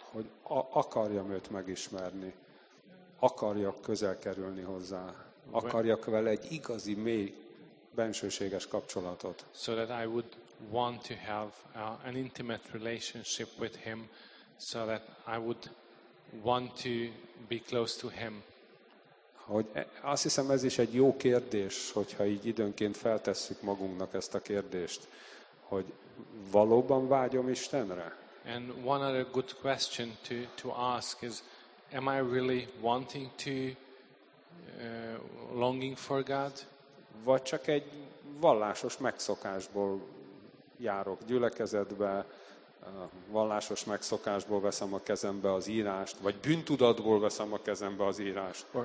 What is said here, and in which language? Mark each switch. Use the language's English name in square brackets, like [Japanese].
[Hungarian] Hogy akarjam őt megismerni. Akarjak közel kerülni hozzá. Akarjak vele egy igazi, mély, bensőséges kapcsolatot. [English] So that I would want to have an intimate relationship with him, so that I would want to be close to him. [Hungarian] Hogy azt hiszem, ez is egy jó kérdés, hogyha így időnként feltesszük magunknak ezt a kérdést, hogy valóban vágyom Istenre? [English] And one other good question to ask is, am I really wanting to longing for God? [Hungarian] Vagy csak egy vallásos megszokásból járok gyülekezetbe, vallásos megszokásból veszem a kezembe az írást, vagy bűntudatból veszem a kezembe az írást.